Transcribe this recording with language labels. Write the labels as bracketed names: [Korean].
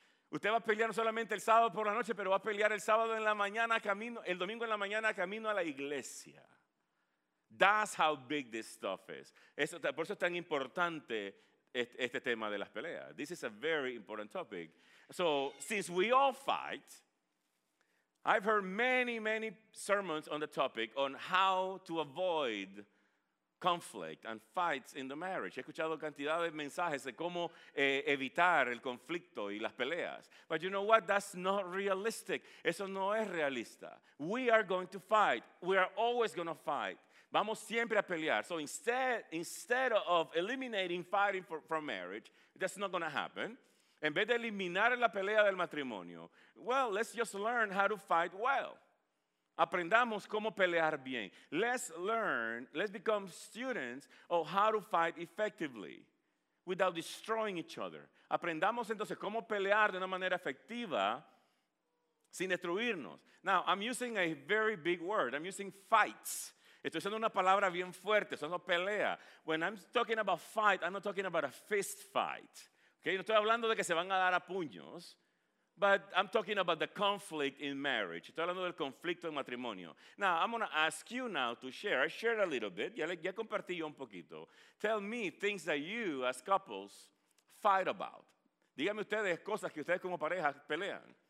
[Spanish] Usted va a pelear no solamente el sábado por la noche, pero va a pelear el sábado en la mañana camino, el domingo en la mañana camino a la iglesia. [English] That's how big this stuff is. [Spanish] Por eso es tan importante este tema de las peleas. [English] This is a very important topic. So, since we all fight, I've heard many, many sermons on the topic on how to avoid conflict and fights in the marriage. [Spanish] He escuchado cantidad de mensajes de cómo evitar el conflicto y las peleas. [English] But you know what? That's not realistic. [Spanish] Eso no es realista. [English] We are going to fight. We are always going to fight. [Spanish] Vamos siempre a pelear. [English] So instead of eliminating fighting from marriage, that's not going to happen. [Spanish] En vez de eliminar la pelea del matrimonio, [English] well, let's just learn how to fight well. [Spanish] Aprendamos cómo pelear bien. [English] Let's become students of how to fight effectively without destroying each other. [Spanish] Aprendamos entonces cómo pelear de una manera efectiva sin destruirnos. [English] Now, I'm using a very big word. I'm using fights. [Spanish] Estoy usando una palabra bien fuerte, eso no pelea. [English] When I'm talking about fight, I'm not talking about a fist fight. [Spanish] Okay, no estoy hablando de que se van a dar a puños, [English] but I'm talking about the conflict in marriage. [Spanish] Estoy hablando del conflicto en matrimonio. [English] Now, I'm going to ask you now to share. I shared a little bit. [Spanish] Ya compartí yo un poquito. [English] Tell me things that you, as couples, fight about. [Spanish] Díganme ustedes cosas que ustedes como pareja pelean.